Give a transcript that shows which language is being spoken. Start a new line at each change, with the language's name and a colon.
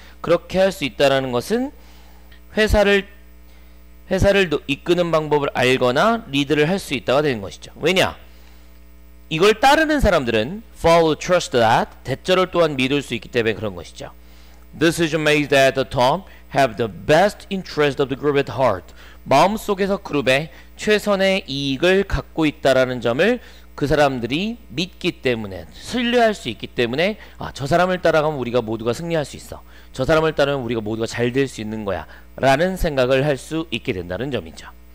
Korean: 그렇게 할 수 있다라는 것은 회사를 이끄는 방법을 알거나 리드를 할 수 있다가 되는 것이죠. 왜냐? 이걸 따르는 사람들은
English: follow trust that
Korean: 대절을 또한 믿을 수 있기 때문에 그런 것이죠.
English: Decision made at the top have the best interest of the group at heart.
Korean: 마음속에서 그룹의 최선의 이익을 갖고 있다라는 점을 그 사람들이 믿기 때문에 신뢰할 수 있기 때문에 아, 저 사람을 따라가면 우리가 모두가 승리할 수 있어 저 사람을 따르면 우리가 모두가 잘 될 수 있는 거야 라는 생각을 할 수 있게 된다는 점이죠.